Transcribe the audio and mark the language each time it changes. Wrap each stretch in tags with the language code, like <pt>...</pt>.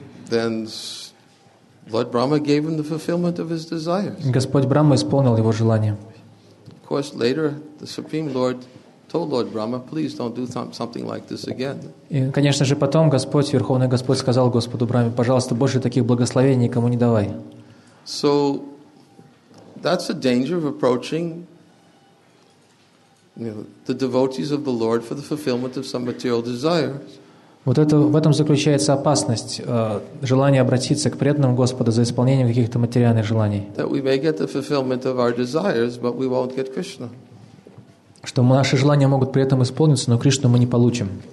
<en>Then Lord Brahma gave him the fulfillment of his desires.</en> <ru>Господь Брахма исполнил его желание.</ru> <en>Of course, later the Supreme Lord told Lord Brahma, please don't do something like this again.</en> <ru>И, конечно же, потом Господь, Верховный Господь, сказал Господу Брахме: пожалуйста, больше таких благословений никому не давай.</ru> <en>So that's the danger of approaching, you know, the devotees of the Lord for the fulfillment of some material desire.</en> <ru>Вот это, в этом заключается опасность, желание обратиться к преданному Господу за исполнением каких-то материальных желаний.</ru> <en>That we may get the fulfillment of our desires, but we won't get Krishna.</en> <ru>Что наши желания могут при этом исполниться, но Кришну мы не получим.</ru>